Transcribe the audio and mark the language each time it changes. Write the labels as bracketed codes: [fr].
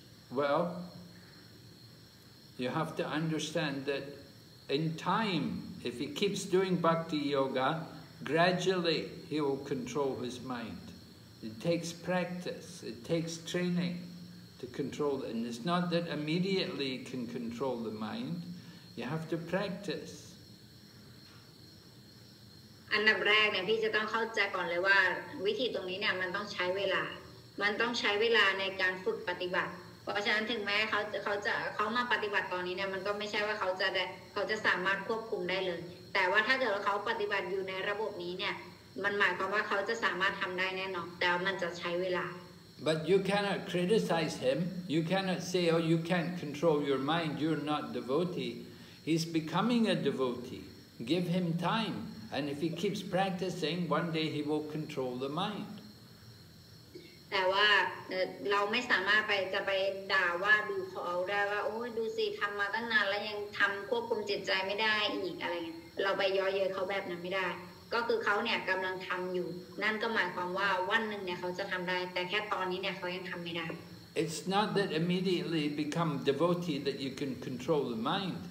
[en] Well, you have to understand that in time, if he keeps doing bhakti yoga, gradually he will control his mind. It takes practice, it takes training to control it. And it's not that immediately he can control the mind. You have to practice. [th] อันดับแรกเนี่ยพี่จะต้องเข้าใจก่อนเลยว่าวิธีตรงนี้เนี่ยมันต้องใช้เวลามันต้องใช้เวลาในการฝึกปฏิบัติเพราะฉะนั้นถึงแม้เขามาปฏิบัติตอนนี้เนี่ยมันก็ไม่ใช่ว่าเขาจะสามารถควบคุมได้เลยแต่ว่าถ้าเกิดว่าเขาปฏิบัติอยู่ในระบบนี้เนี่ยมันหมายความว่าเขาจะสามารถทำได้แน่นอนแต่มันจะใช้เวลา [en] But you cannot criticize him. You cannot say, "Oh, you can't control your mind. You're not devotee." He's becoming a devotee. Give him time. And if he keeps practicing, one day he will control the mind. [th] แต่ว่าเราไม่สามารถไปด่าว่าดูเขาได้ว่าโอ้ยดูสิทำมาตั้งนานแล้วยังทำควบคุมจิตใจไม่ได้อีกอะไรเงี้ยเราไปย่อเยอะเขาแบบนั้นไม่ได้ก็คือเขาเนี่ยกำลังทำอยู่นั่นก็หมายความว่าวันหนึ่งเนี่ยเขาจะทำได้แต่แค่ตอนนี้เนี่ยเขายังทำไม่ได้ [en] It's not that immediately become devotee that you can control the mind.